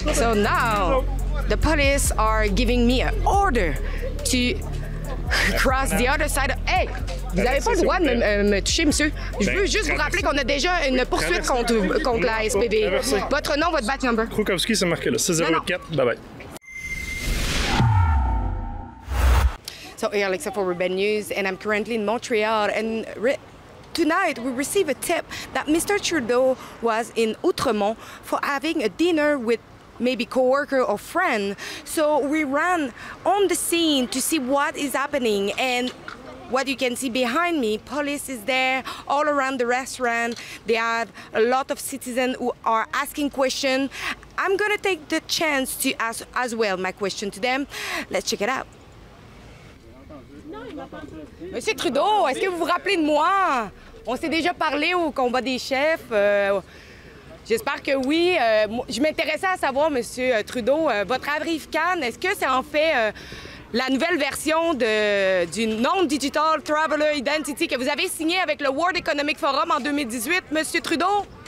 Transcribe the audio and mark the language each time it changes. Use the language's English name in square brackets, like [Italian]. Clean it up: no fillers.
[English] So now, the police are giving me an order to cross the other side. [French] Hey, vous n'avez pas le droit de me toucher, monsieur. Je veux juste vous rappeler qu'on a déjà une poursuite contre la SPV. Votre nom, votre [English] badge number. [French] Krukowski, c'est marqué là. 604. Bye bye. [English] So, here, Alexa for Urban News, and I'm currently in Montreal. And tonight, we received a tip that Mr. Trudeau was in Outremont for having a dinner with maybe coworker or friend. So we ran on the scene to see what is happening. And what you can see behind me, police is there all around the restaurant. They have a lot of citizens who are asking questions. I'm gonna take the chance to ask as well my question to them. Let's check it out. [French] Monsieur Trudeau, est-ce que vous vous rappelez de moi? On s'est déjà parlé au combat des chefs. J'espère que oui. Je m'intéressais à savoir, Monsieur Trudeau, votre Arrive Cannes, est-ce que c'est en fait la nouvelle version du Non-Digital Traveler Identity que vous avez signé avec le World Economic Forum en 2018, Monsieur Trudeau?